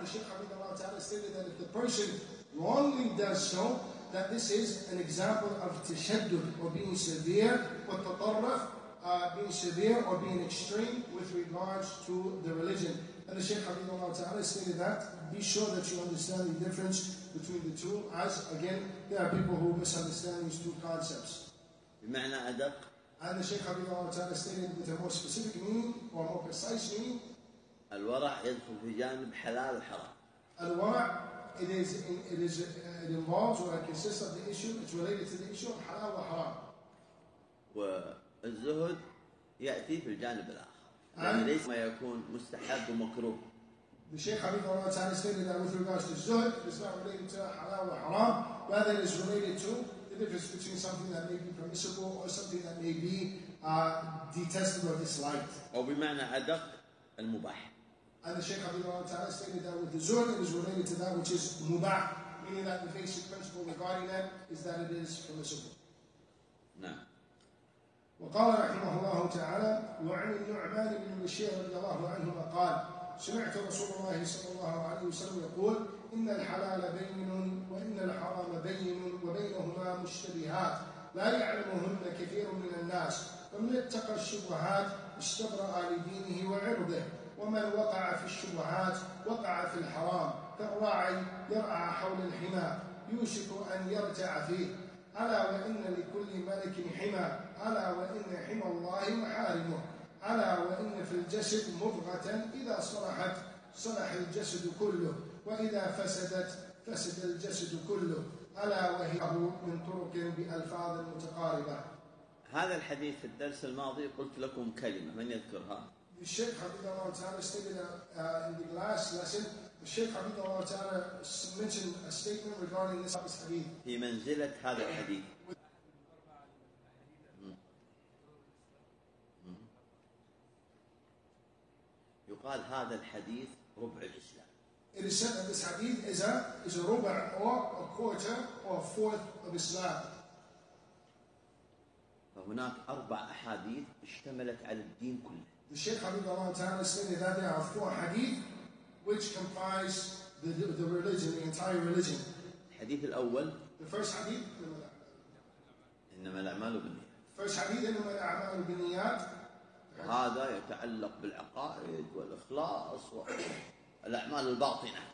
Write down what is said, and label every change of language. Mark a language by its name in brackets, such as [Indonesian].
[English] The Shaykh Habibullah Ta'ala stated that if the person wrongly does so, that this is an example of tashaddud, or being severe, or tatarraf, being severe or being extreme with regards to the religion. And the Shaykh Habibullah Ta'ala stated that, be sure that you understand the difference between the two, as again, there are people who misunderstand these two concepts. [Arabic] بمعنى أدق. [English] And the Shaykh Habibullah Ta'ala stated with a more specific meaning, or more precise meaning, [Arabic] الورع يدخل في جانب حلال وحرام. [English] الورع, it involves or it consists of the issue, it's related to the issue of حلال وحرام. [Arabic] الزهد يأتي في الجانب الآخر يعني ليس ما يكون مستحب ومكروه [English] The Shaykh Habibullah Allah Ta'ala stated that with regards to zuhd, it's not related to halal or haram, rather it is related to the difference between something that may be permissible or something that may be detestable or disliked. [Arabic] أو بمعنى أدق المباح. [English] And the Shaykh Habibullah Allah Ta'ala stated that with the zuhd, it is related to that which is mubah, meaning that the basic principle regarding that is that it is permissible. [Arabic] نعم. وقال رحمه الله تعالى وعن النعمان بن بشير رضي الله عنهما قال سمعت رسول الله صلى الله عليه وسلم يقول إن الحلال بين وإن الحرام بين وبينهما مشتبهات لا يعلمهن كثير من الناس فمن اتقى الشبهات استبرأ لدينه وعرضه ومن وقع في الشبهات وقع في الحرام كالراعي يرعى حول الحمى يوشك أن يرجع فيه ألا وإن لكل ملك حمى ألا وإن حمى الله محارمه ألا وإن في الجسد مضغة إذا صلحت صلح الجسد كله وإذا فسدت فسد الجسد كله ألا وهي من طرق بألفاظ متقاربة هذا الحديث في الدرس الماضي قلت لكم كلمة من يذكرها [English] الشيخ حبيب الله تعالى استجد in the last lesson الشيخ حبيب الله تعالى mentioned a statement regarding this hadith [Arabic] في منزلة هذا الحديث قال هذا الحديث ربع الإسلام. [English] It is said that this hadith is a ربع or a quarter or a fourth of Islam. [Arabic] فهناك أربع أحاديث اشتملت على الدين كله. [English] The Shaykh Habibullah Ta'ala said that there are four hadith which comprise the religion, the entire religion. [Arabic] الحديث الأول. [English] The first hadith. [Arabic] إنما الأعمال بالنيات. First hadith إنما الأعمال بالنيات. هذا يتعلق بالعقائد والإخلاص والأعمال الباطنة.